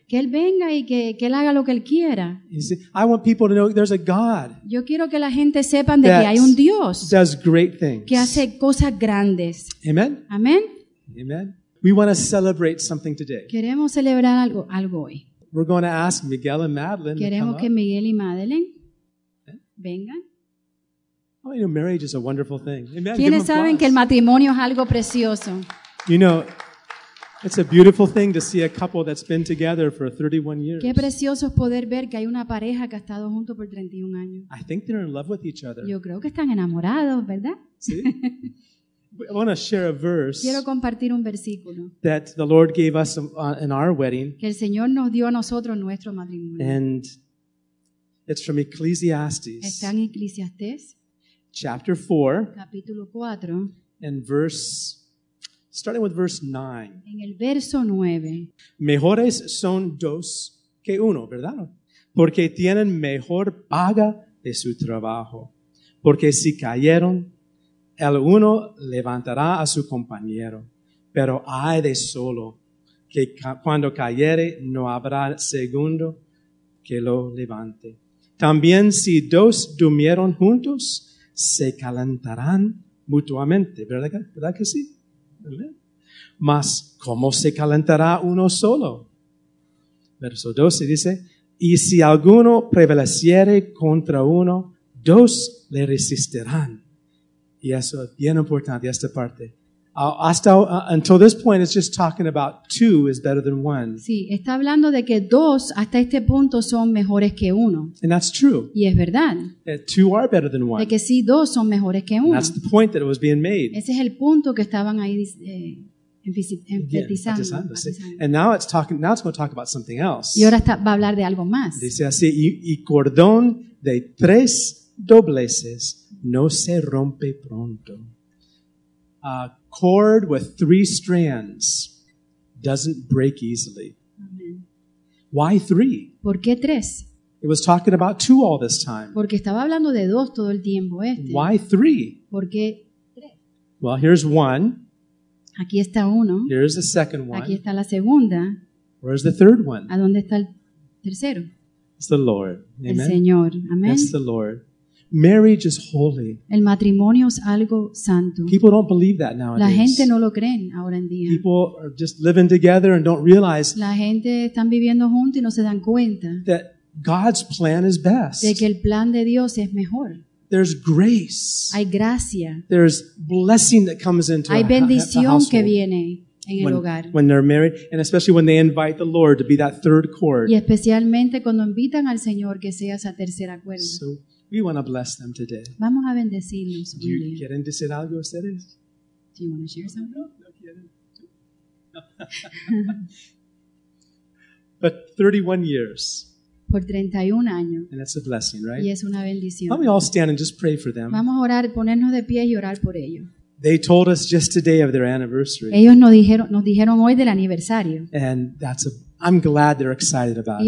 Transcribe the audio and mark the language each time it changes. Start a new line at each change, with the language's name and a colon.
Spanish: Que él venga y que él haga lo que él quiera.
English: See, I want people to know there's a God.
Spanish: Yo quiero que la gente sepan de que hay un Dios.
English: Does great things.
Spanish: Que hace cosas grandes. Amen. Amen.
English: Amen. We want to celebrate something today.
Spanish: Queremos celebrar algo hoy.
English: We're going to ask Miguel and Madeline.
Spanish: Queremos
English: to come
Spanish: que
English: up.
Spanish: Miguel y Madeline vengan.
English: Oh, you know, marriage is a wonderful thing. Amen.
Spanish: ¿Quiénes saben que el matrimonio es algo precioso?
English: You know, it's a beautiful thing to see a couple that's been together for 31 years.
Spanish: Qué precioso es poder ver que hay una pareja que ha estado junto por 31 años.
English: I think they're in love with each other.
Spanish: Yo creo que están enamorados, ¿verdad?
English: Sí. I want to share a verse.
Spanish: Quiero compartir un versículo.
English: That the Lord gave us in our wedding.
Spanish: Que el Señor nos dio a nosotros nuestro matrimonio.
English: And it's from Ecclesiastes.
Spanish: Está en Eclesiastés.
English: Chapter 4.
Spanish: Capítulo 4.
English: And verse. Starting with verse 9.
Spanish: En el verso 9. Mejores son dos que uno, ¿verdad? Porque tienen mejor paga de su trabajo. Porque si cayeron, el uno levantará a su compañero. Pero hay de solo, que cuando cayere, no habrá segundo que lo levante. También si dos durmieron juntos, se calentarán mutuamente, ¿verdad que sí? Mas, ¿cómo se calentará uno solo? Verso 12 dice, y si alguno prevaleciere contra uno, dos le resistirán. Y eso es bien importante, esta parte.
English: Until this point, it's just talking about two is better than one.
Spanish: Sí, está hablando de que dos hasta este punto son mejores que uno.
English: And that's true.
Spanish: Y es verdad.
English: Two are better than one.
Spanish: De que sí, dos son mejores que uno.
English: And that's the point that it was being made.
Spanish: Ese es el punto que estaban ahí enfatizando.
English: And now it's talking. Now it's going to talk about something else.
Spanish: Y ahora va a hablar de algo más. Dice así, y cordón de tres dobleces no se rompe pronto.
English: Cord with three strands doesn't break easily. Amen. Why three?
Spanish: ¿Por qué tres?
English: It was talking about two all this time.
Spanish: Porque estaba hablando de dos todo el tiempo este.
English: Why three?
Spanish: ¿Por qué tres?
English: Well, here's one.
Spanish: Aquí está uno.
English: Here's the second one.
Spanish: Aquí está la segunda.
English: Where's the third one?
Spanish: ¿A dónde está el tercero?
English: It's the Lord. Amen.
Spanish: El Señor. Amen.
English: It's the Lord. Marriage is holy.
Spanish: El matrimonio es algo santo.
English: People don't believe that nowadays.
Spanish: La gente no lo creen ahora en día.
English: People are just living together and don't realize.
Spanish: La gente están viviendo juntos y no se dan cuenta.
English: That God's plan is best.
Spanish: De que el plan de Dios es mejor.
English: There's grace.
Spanish: Hay gracia.
English: There's blessing that comes into
Spanish: hay bendición
English: a
Spanish: que viene en el hogar.
English: When they're married, and especially when they invite the Lord to be that third cord.
Spanish: Y especialmente cuando invitan al Señor que sea esa tercera cuerda.
English: So, we want to bless them today.
Spanish: Vamos a bendecirlos.
English: Do you
Spanish: quieren decir algo ustedes?
English: Do you want to share something?
Spanish: No quieren.
English: But 31 years.
Spanish: Por 31 años.
English: And that's a blessing, right?
Spanish: Y es una bendición.
English: Why don't we all stand and just pray for them?
Spanish: Vamos a orar, ponernos de pie y orar por ellos.
English: They told us just today of their anniversary.
Spanish: Ellos nos dijeron hoy del aniversario.
English: And that's a I'm glad they're excited about it.